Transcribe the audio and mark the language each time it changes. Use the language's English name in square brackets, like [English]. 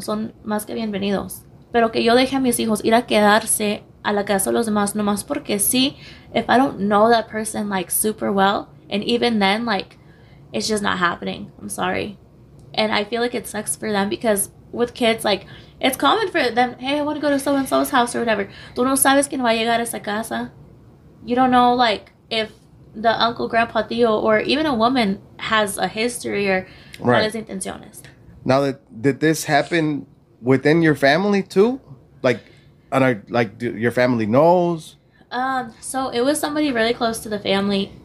[Spanish] Son más que bienvenidos. Pero que yo deje a mis hijos ir a quedarse a la casa de los demás, nomás porque sí, [English] if I don't know that person, like, super well, and even then, like, it's just not happening. I'm sorry. And I feel like it sucks for them because with kids, like, it's common for them, hey, I want to go to so-and-so's house or whatever. [Spanish] Tú no sabes quién va a llegar a esa casa. [English] You don't know, like, if the uncle, grandpa, tío, or even a woman has a history or right. [Spanish] Las intenciones. [English] Now, did this happen within your family, too? Like, and I like your family knows. So it was somebody really close to the family.